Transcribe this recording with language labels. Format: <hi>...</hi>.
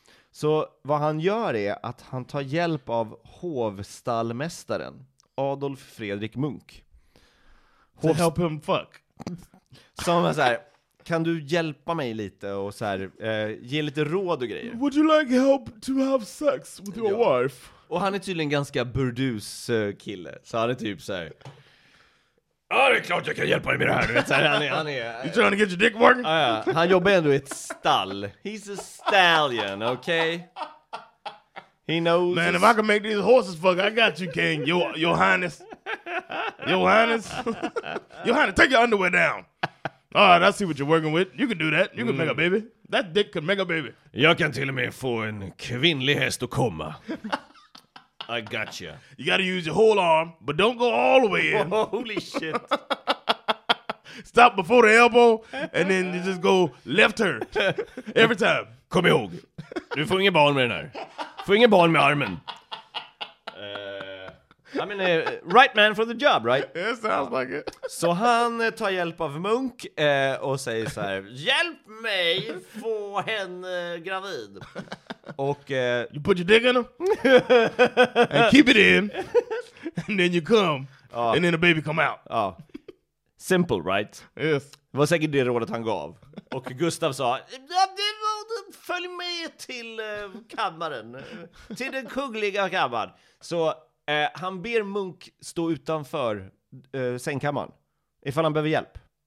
<sv>Så vad han gör är att han tar hjälp av hovstallmästaren Adolf Fredrik Munk.</sv> <en>To help him fuck.</en> <sv>Som är så här, kan du hjälpa mig lite och så här, ge lite råd och grejer.</sv> <en>Would you like help to have sex with your wife?</en> <sv>Och han är tydligen ganska burdus kille. Så han är typ så här. Ja, det är klart jag kan hjälpa dig med det här. Vet, här han är...</sv> <en>You're trying to get your dick working?</en> <sv>Ja. Han jobbar ändå i ett stall.</sv> <en>He's a stallion, okay? He knows... Man, if I can make these horses fuck, I got you, King. Your highness. Your highness. Your highness, take your underwear down. All right, I see what you're working with. You can do that. You can make a baby. That dick can make a baby.</en> <sv>Jag kan till och med få en kvinnlig häst att komma.</sv> <en>I gotcha. You gotta use your whole arm, but don't go all the way in. Whoa, holy shit. Stop before the elbow, and then you just go left turn. Every time.</en> <sv>Kom ihåg. Du får inget barn med den här. Får inget barn med armen.</sv> <en>I mean, right man for the job, right? It sounds like it.</en> <sv>Så han tar hjälp av Munk och säger så här: hjälp mig få henne gravid. Och</sv> <en>you put your dick in him and keep it in and then you come and then the baby come out. Simple, right? Yes.</en> <sv>Det var säkert det rådet han gav. Och Gustav sa, följ med till kammaren. Till den kungliga kammaren. Så han ber Munk stå utanför sängkammaren. Ifall han behöver hjälp.</sv>